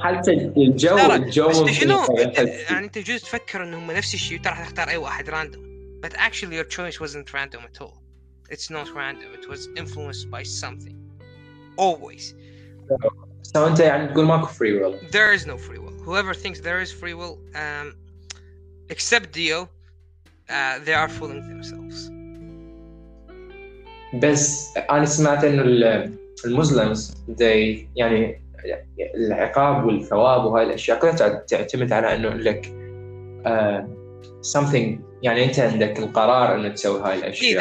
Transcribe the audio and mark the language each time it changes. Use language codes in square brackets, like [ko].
[ar] حتى الجو بس شنو يعني أنت جوز تفكر إنه هم نفس الشيء وترى تختار أي واحد [en] random but actually your choice wasn't random at all it's not random it was influenced by something always so [ar] أنت يعني تقول ماكو free will [en] there is no free will whoever thinks there is free will except Dio they are fooling themselves [ar] بس أنا سمعت إنه المسلمز دي يعني العقاب والثواب وهاي الأشياء كلها تعتمد على إنه لك [en] something [ar] يعني أنت عندك القرار إنه تسوي هاي الأشياء.